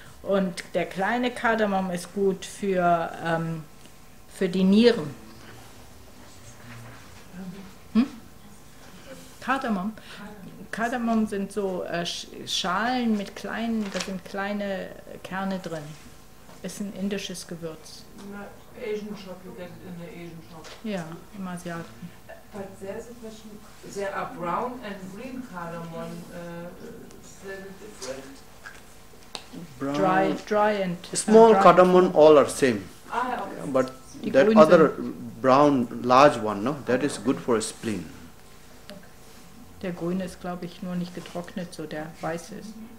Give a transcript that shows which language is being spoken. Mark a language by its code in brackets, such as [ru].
[de] Und der kleine Kardamom ist gut für die Nieren. Kardamom? Kardamom sind so Schalen mit kleinen, da sind kleine Kerne drin. Ist ein indisches Gewürz. [en] Asian Shop, you get it in the Asian Shop. [de] Ja, im Asiaten. [en] But there's a question, there are brown and green cardamom, is that a different? Brown. Dry and small dry. Cardamom, all are same. Ah, okay. But that other brown, large one, no, that is good for a spleen. [de] Der grüne ist, glaube ich, nur nicht getrocknet, so der weiße ist.